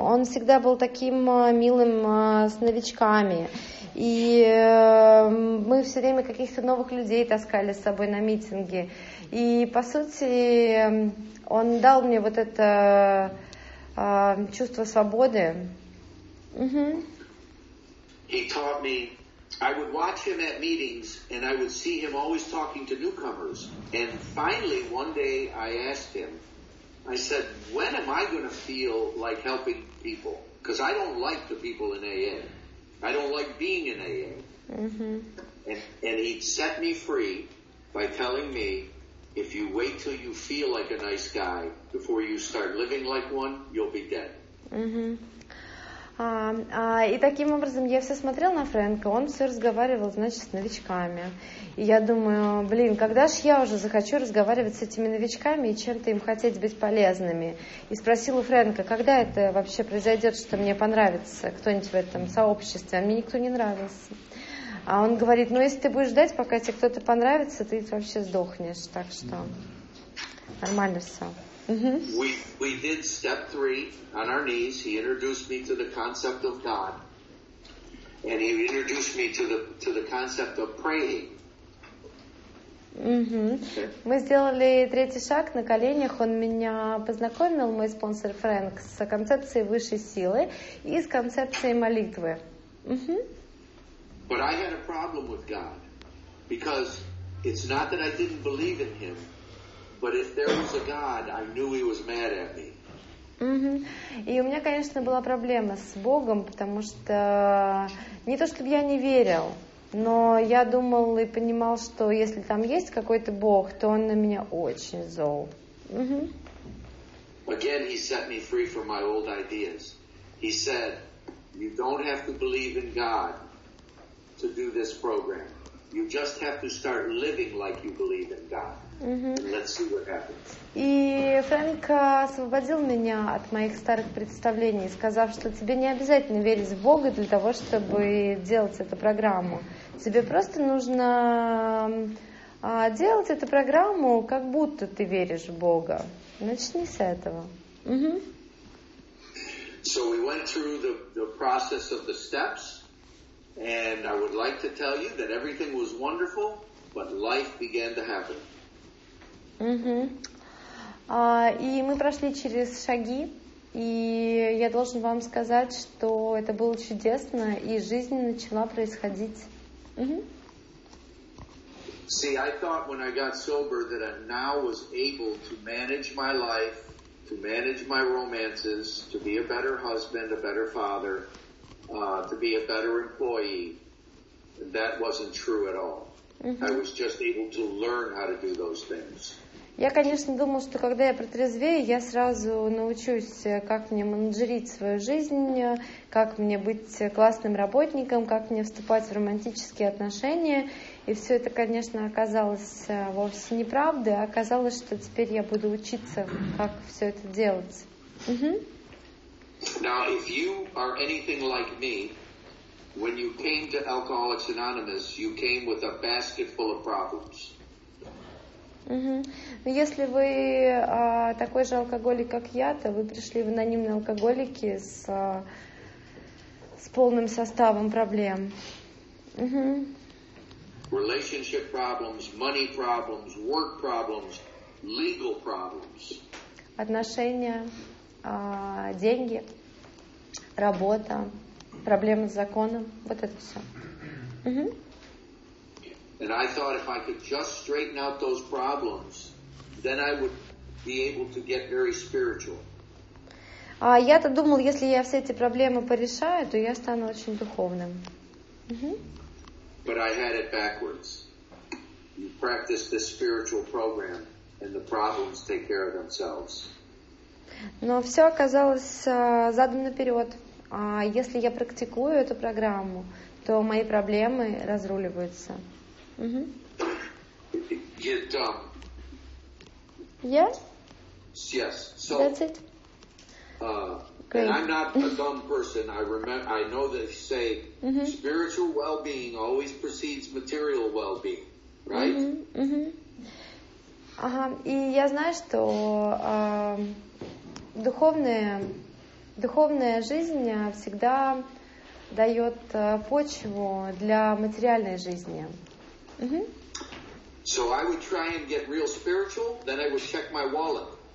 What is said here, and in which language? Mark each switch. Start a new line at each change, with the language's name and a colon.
Russian: Он всегда был таким милым с новичками. И мы все время каких-то новых людей таскали с собой на митинги. И, по сути, он дал мне вот это чувство свободы.
English: He taught me. I would watch him at meetings, and I would see him always talking to newcomers. And finally, one day, I asked him, I said, when am I going to feel like helping people? Because I don't like the people in AA. I don't like being in AA. And he set me free by telling me, if you wait till you feel like a nice guy before you start living like one, you'll be dead.
Russian: И таким образом я все смотрела на Фрэнка, он все разговаривал, значит, с новичками. И я думаю, блин, когда ж я уже захочу разговаривать с этими новичками и чем-то им хотеть быть полезными? И спросила у Фрэнка, когда это вообще произойдет, что мне понравится кто-нибудь в этом сообществе, а мне никто не нравился. А он говорит, ну если ты будешь ждать, пока тебе кто-то понравится, ты вообще сдохнешь, так что нормально все.
English: We did step three on our knees. He introduced me to the concept of God. and he introduced me to the concept of praying. Угу.
Russian: Мы сделали третий шаг на коленях. Он меня познакомил, мой спонсор Фрэнк, с концепцией высшей силы и с концепцией молитвы. Угу.
English: But I had a problem with God, because it's not that I didn't believe in him, but if there was a God, I knew he was mad at me. Угу.
Russian: И у меня, конечно, была проблема с Богом, потому что не то чтобы я не верил. Но я думал и понимал, что если там есть какой-то Бог, то он на меня очень зол. Угу.
English: Again, he set me free from my old ideas. He said, you don't have to believe in God to do this program. You just have to start living like you believe in God. Угу. Let's see what happens.
Russian: И Фрэнк освободил меня от моих старых представлений, сказав, что тебе не обязательно верить в Бога для того, чтобы делать эту программу. Тебе просто нужно делать эту программу, как будто ты веришь в Бога. Начни с этого. Угу.
English: So we went through the process of the steps, and I would like to tell you that everything was wonderful, but life began to happen. Угу.
Russian: И мы прошли через шаги, и я должен вам сказать, что это было чудесно, и жизнь начала происходить. Угу.
English: See, I thought when I got sober that I now was able to manage my life, to manage my romances, to be a better husband, a better father, to be a better employee. That wasn't true at all. Угу. I was just able to learn how to do those things.
Russian: Я, конечно, думал, что когда я протрезвею, я сразу научусь, как мне менеджерить свою жизнь, как мне быть классным работником, как мне вступать в романтические отношения. И все это, конечно, оказалось вовсе неправдой. Оказалось, что теперь я буду учиться, как все это делать.
English: Now, if you are anything like me, when you came to Alcoholics Anonymous, you came with a basket full of problems. Угу.
Russian: Если вы такой же алкоголик, как я, то вы пришли в анонимные алкоголики с полным составом проблем. Угу.
English: Relationship problems, money problems, work problems, legal problems.
Russian: Отношения, деньги, работа, проблемы с законом, вот это все. Угу.
English: And I thought if I could just straighten out those problems, then I would be able to get very spiritual.
Russian: Я-то думал, если я все эти проблемы порешаю, то я стану очень духовным.
English: But I had it backwards. You practice this spiritual program, and the problems take care of themselves.
Russian: Но все оказалось задом наперед. А если я практикую эту программу, то мои проблемы разруливаются.
English: Mm-hmm. Get dumb. Yes? Yes. So that's it. Great. And I'm not a dumb person. I know they say spiritual well-being always precedes material well-being, right? Mm-hmm. Ага.
Russian: И я знаю, что духовная жизнь всегда дает почву для материальной жизни.
English: So I would try and get real spiritual, then I would check my wallet.